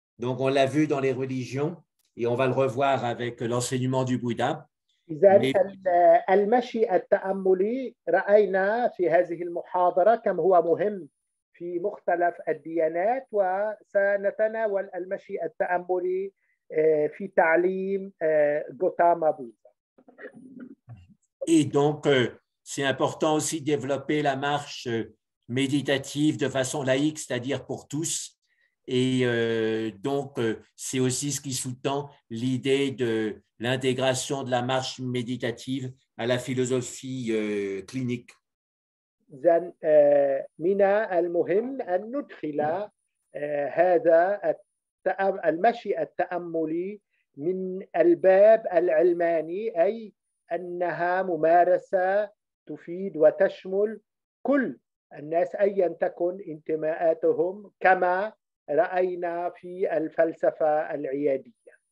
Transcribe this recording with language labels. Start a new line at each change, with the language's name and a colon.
French: Donc on l'a vu dans les religions et on va le revoir avec l'enseignement du Bouddha,
Arabic: إذا
French: mais
Arabic: المشي التأملي رأينا في هذه المحاضرة كم هو مهم في مختلف الديانات، وسنتناول المشي التأملي في تعليم غوتاما بوذا.
French: et donc, c'est important aussi de développer la marche méditative de façon laïque, c'est-à-dire pour tous. Et donc, c'est aussi ce qui sous-tend l'idée de l'intégration de la marche méditative à la philosophie clinique.
Arabic: إذا من المهم أن ندخل هذا المشي التأملي من الباب العلماني، أي أنها ممارسة تفيد وتشمل كل الناس أيا تكن انتماءاتهم، كما رأينا في الفلسفة العيادية.